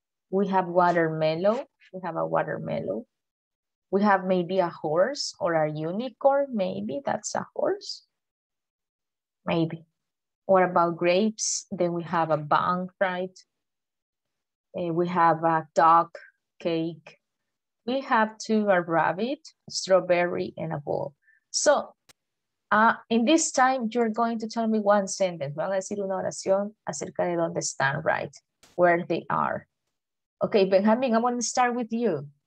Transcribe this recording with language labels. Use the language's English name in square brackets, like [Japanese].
[English] We have watermelon, we have a watermelon. We have maybe a horse or a unicorn, maybe that's a horse. Maybe. What about grapes? Then we have a bun, right? And we have a dog, cake. We have two, a rabbit, a strawberry, and a ball. So, in this time, you're going to tell me one sentence. [Spanish] Van a decir una oración acerca de dónde están, right? [English] Where they are. Okay, Benjamin, I want to start with you.